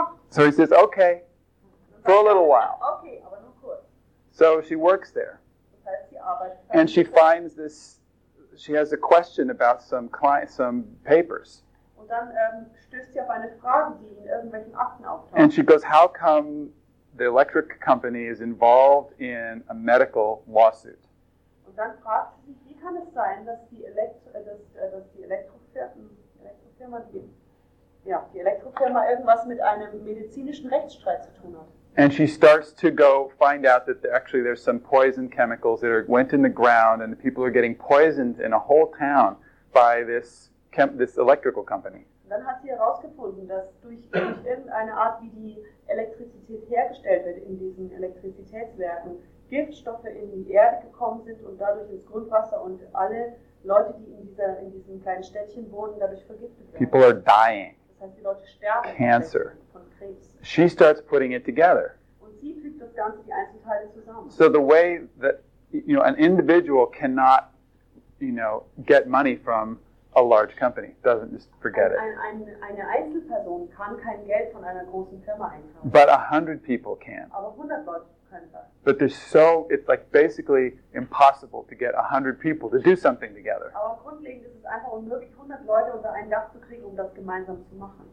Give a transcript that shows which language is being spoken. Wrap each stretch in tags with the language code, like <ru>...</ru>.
<en>So he says, okay, for a little while. So she works there. And she finds this, she has a question about some client, some papers.</en> <de>Und dann stößt sie auf eine Frage, die in irgendwelchen Akten auftaucht.</de> <en>And she goes, how come the electric company is involved in a medical lawsuit?</en> <de>Und dann fragt sie sich, wie kann es sein, dass die Elektrofirma irgendwas mit einem medizinischen Rechtsstreit zu tun hat?</de> <en>And she starts to go find out that there's some poison chemicals that went in the ground and the people are getting poisoned in a whole town by this electrical company.</en> <de>Dann hat sie herausgefunden, dass durch irgendeine Art, wie die Elektrizität hergestellt wird in diesen Elektrizitätswerken, Giftstoffe in die Erde gekommen sind und dadurch ins Grundwasser und alle Leute, die in diesem kleinen Städtchen wohnen, dadurch vergiftet werden.</de> <en>People are dying.</en> <de>Das heißt, die Leute sterben.</de> <en>Cancer.</en> <de>Von Krebs.</de> <en>She starts putting it together.</en> <de>Und sie fügt das Ganze, die Einzelteile zusammen.</de> <en>So the way that, you know, an individual cannot, you know, get money from a large company, doesn't just forget it.</en> <de>Eine Einzelperson kann kein Geld von einer großen Firma einkaufen.</de> <en>But 100 people can.</en> <de>Aber 100 Leute können das.</de> <en>But there's it's like basically impossible to get 100 people to do something together.</en> <de>Aber grundlegend ist es einfach unmöglich, 100 Leute unter ein Dach zu kriegen, um das gemeinsam zu machen.</de>